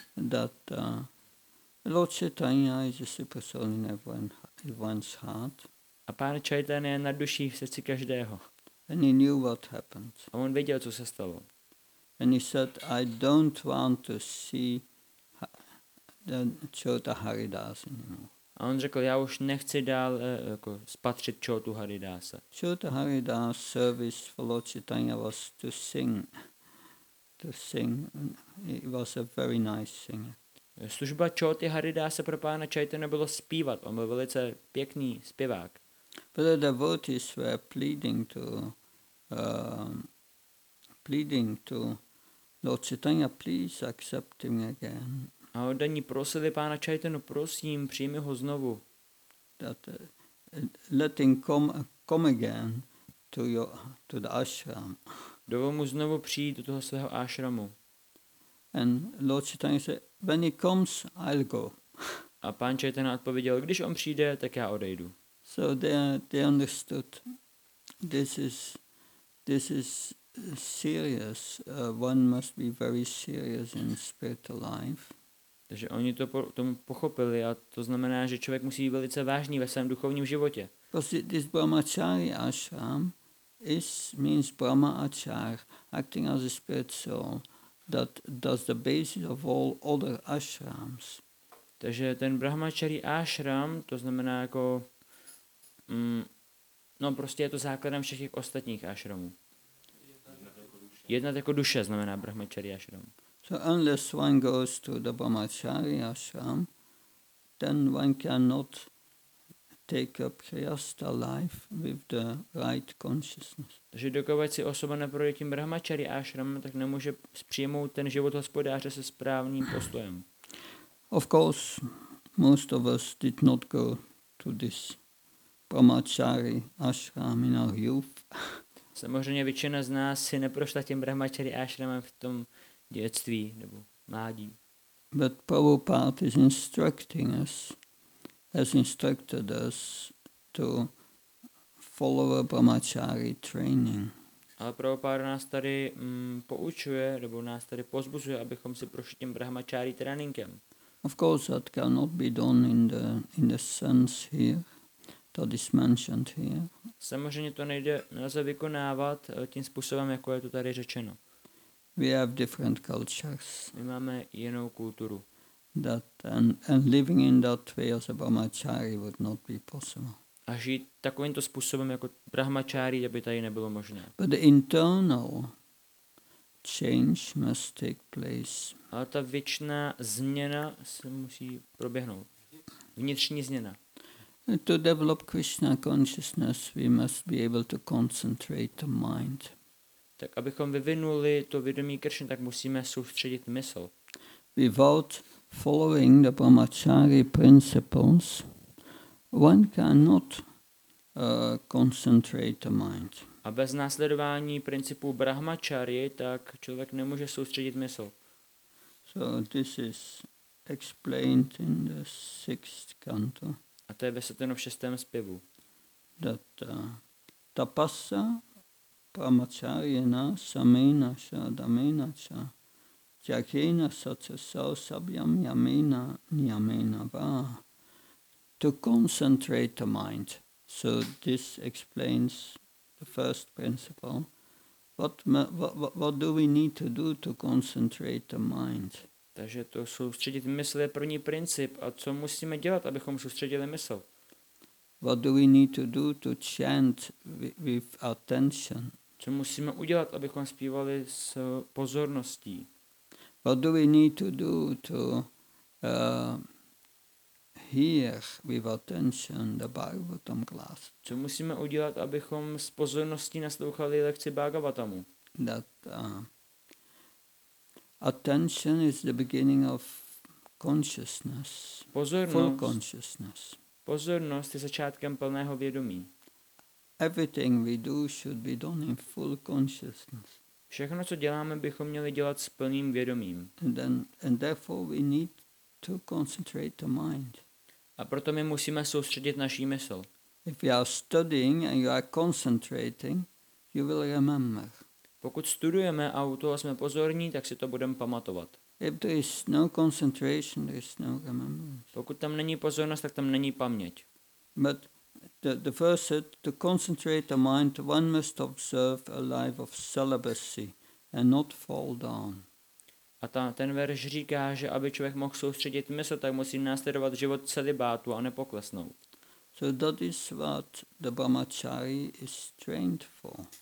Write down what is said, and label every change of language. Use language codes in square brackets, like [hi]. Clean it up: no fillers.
[en] That Lord Chaitanya is a super soul in everyone's heart. [cs] A pán Chaitanya je na duší v srdci každého. [en] And he knew what happened. [cs] A on věděl, co se stalo. [en] And he said, I don't want to see [cs] Čota Haridasa. A on řekl, já už nechci dál jako spatřit Čotu Haridasa. [en] Čota Haridasa service for Lord Chaitanya was to sing. To sing. It was a very nice singer. [cs] Služba Čoty Haridasa pro pána Chaitanya bylo zpívat. On byl velice pěkný zpěvák. [en] But the devotees were pleading to Lord Chaitanya, please accept him again. [cs] A oddaní prosili pána Chaitanya, prosím, přijmi ho znovu. [en] That, let him come again to the ashram. [cs] Dovol mu znovu přijít do toho svého ashramu. [en] And Lord Chaitanya said, when he comes, I'll go. [cs] A pán Chaitanya odpověděl, když on přijde, tak já odejdu. [en] So they understood this is serious. One must be very serious in spiritual life. [cs] Takže oni to tomu pochopili a to znamená, že člověk musí být velice vážný ve svém duchovním životě. [en] Because this brahmachari ashram means brahma achar, acting as a spirit soul that does the basis of all other ashrams. [cs] Takže ten brahmachari ashram, to znamená jako prostě je to základem všech těch ostatních ashramů. Jednat jako duše znamená brahmachari ashram. [en] So unless one goes to the brahmachari ashram, then one cannot take up kriyastha life with the right consciousness. [cs] Takže dokud si osoba neprojde tím brahmachari ashramem, tak nemůže přijmout ten život hospodáře se správným postojem. [en] Of course, most of us did not go to this brahmachari ashram in our youth. [cs] Samozřejmě většina z nás si neprošla tím brahmachari ashramem v tom dětství nebo mládí. [en] But Prabhupada is instructing us, has instructed us to follow a brahmachari training. [cs] Ale Prabhupada nás tady poučuje, nebo nás tady pozbuzuje, abychom si prošli tím brahmachari tréninkem. [en] Of course that cannot be done in the sense here. That is mentioned here. [cs] Samozřejmě to nelze vykonávat tím způsobem, jako je to tady řečeno. [en] We have different cultures. [cs] My máme jinou kulturu. [en] That and living in that way as a brahmachari would not be possible. [cs] A žít takovýmto způsobem jako brahmachari, aby tady nebylo možné. [en] But the internal change must take place. [cs] Ale ta věčná změna se musí proběhnout. Vnitřní změna. [en] To develop Krishna consciousness, we must be able to concentrate the mind. [cs] Tak abychom vyvinuli to vědomí Krishna, tak musíme soustředit mysl. [en] Without following the brahmachari principles, one cannot concentrate the mind. [cs] A bez následování principů brahmachari, tak člověk nemůže soustředit mysl. [en] So this is explained in the sixth canto. [cs] A to je vysvětleno v šestém zpěvu. [sa] That tapasa pramacharyena samena shadamena cha jakena satsasau sabyam yamena niyamena va. [en] To concentrate the mind. So this explains the first principle. What do we need to do to concentrate the mind? [cs] Takže to soustředit mysl je první princip. A co musíme dělat, abychom soustředili mysl? [en] What do we need to do to chant with attention? [cs] Co musíme udělat, abychom zpívali s pozorností? [en] What do we need to do to hear with attention the Bhagavatam class? [cs] Co musíme udělat, abychom s pozorností naslouchali lekci Bhagavatamu? [en] Attention is the beginning of consciousness. [cs] Pozornost, [en] full consciousness. [cs] Pozornost je začátkem plného vědomí. [en] Everything we do should be done in full consciousness. [cs] Všechno, co děláme, bychom měli dělat s plným vědomím. [en] And therefore we need to concentrate the mind. [cs] A proto my musíme soustředit naši mysl. [en] If you are studying and you are concentrating, you will remember. [cs] Pokud studujeme a u toho jsme pozorní, tak si to budeme pamatovat. [en] If there is no concentration, there is no remembrance. [cs] Pokud tam není pozornost, tak tam není paměť. [en] But the first said, to concentrate the mind, one must observe a life of celibacy and not fall down. [cs] A ten verš říká, že aby člověk mohl soustředit mysl, tak musí následovat život celibátu a nepoklesnout. [en] So that is what the brahmachari is trained for.